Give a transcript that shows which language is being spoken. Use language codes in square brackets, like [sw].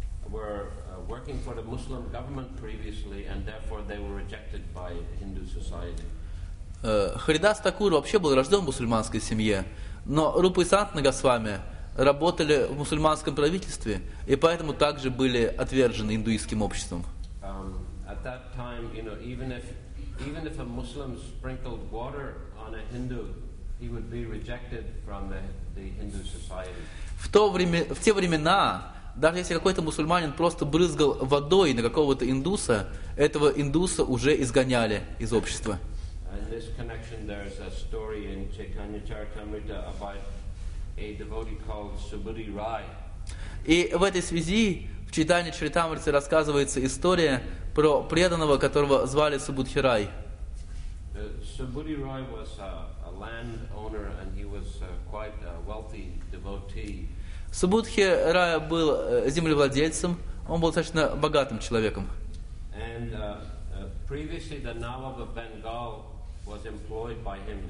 [en] were working for the Muslim government previously, and therefore they were rejected by Hindu society. [ru] Харидас Такур вообще был рожден в мусульманской семье, но Рупа и Санатана Госвами работали в мусульманском правительстве и поэтому также были отвержены индуистским обществом. [en] At that time, you know, even if a Muslim sprinkled water on a Hindu, he would be rejected from the Hindu society. [ru] В те времена, даже если какой-то мусульманин просто брызгал водой на какого-то индуса, этого индуса уже изгоняли из общества. [en] In this connection, there's a story in Chaitanya Charitamrita about a devotee called Subhuti Rai. [ru] И в этой связи в Чайтанья Чаритамрите рассказывается история про преданного, которого звали Субхути Рай. [en] Subhuti Rai was a landowner, and he was quite a wealthy devotee. [ru] Субхути Рай был землевладельцем, он был достаточно богатым человеком. [en] And previously the Nawab of Bengal was employed by him.